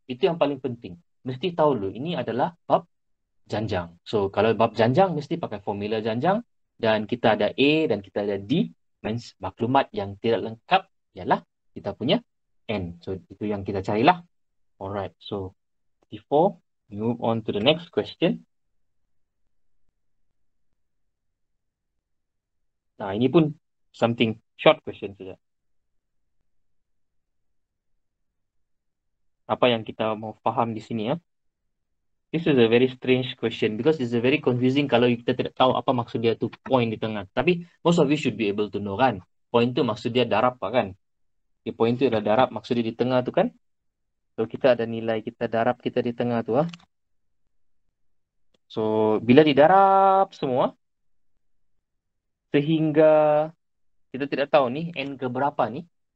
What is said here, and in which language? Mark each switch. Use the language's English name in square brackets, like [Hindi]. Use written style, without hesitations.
[Malay] Itu yang paling penting. Mesti tahu dulu, ini adalah bab janjang. So kalau bab janjang, mesti pakai formula janjang. Dan kita ada A dan kita ada D. Means maklumat yang tidak lengkap ialah kita punya N. So itu yang kita carilah. [English] Alright, so before we move on to the next question. [Malay] Nah, ini pun something short question saja. apa yang kita mau faham di sini ya. [English] This is a very strange question because it's a very confusing [Malay] kalau kita tidak tahu apa maksud dia tuh point di tengah. [English] Tapi most of you should be able to know kan. [Malay] Point itu maksud dia darab apa kan? Okay, point itu adalah darab maksudnya di tengah tuh kan? Kalau kita ada nilai kita darab kita di tengah tuh ah. So bila didarab semua sehingga kita tidak tahu nih n ke berapa nih.